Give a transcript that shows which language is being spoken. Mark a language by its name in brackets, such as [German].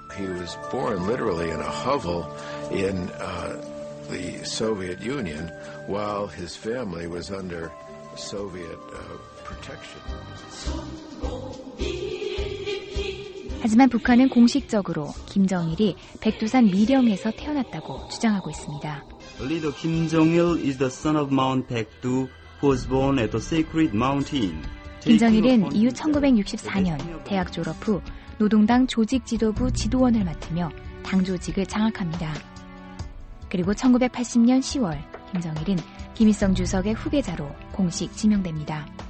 [English] He was born literally in a hovel in the Soviet Union while his family was under Soviet protection. [Korean] 하지만 북한은 공식적으로 김정일이 백두산 미령에서 태어났다고 주장하고 있습니다. [English] Leader Kim Jong-il is the son of Mount Baekdu, who was born at the sacred mountain. [Korean] 김정일은 이후 1964년 대학 졸업 후 노동당 조직 지도부 지도원을 맡으며 당 조직을 장악합니다. 그리고 1980년 10월 김정일은 김일성 주석의 후계자로 공식 지명됩니다.